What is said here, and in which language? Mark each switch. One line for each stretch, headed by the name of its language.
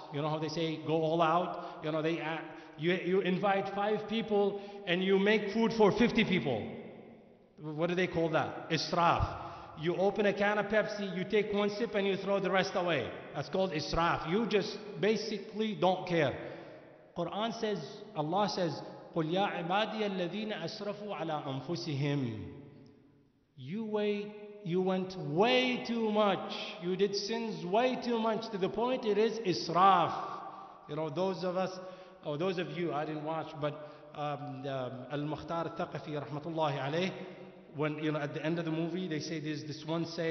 English: You know how they say, go all out? You know, they act. You invite 5 people and you make food for 50 people. What do they call that? Israf. You open a can of Pepsi, you take one sip and you throw the rest away. That's called israf. You just basically don't care. Quran says, Allah says,
Arabic: قُلْ يَا عِبَادِيَ الَّذِينَ أَسْرَفُوا عَلَىٰ أَنفُسِهِمْ.
English: You went way too much. You did sins way too much to the point it is israf. You know, those of us, oh, those of you, I didn't watch, but Al-Mukhtar Al-Thaqafi, rahmatullahi alayh, when, you know, at the end of the movie, they say there's this one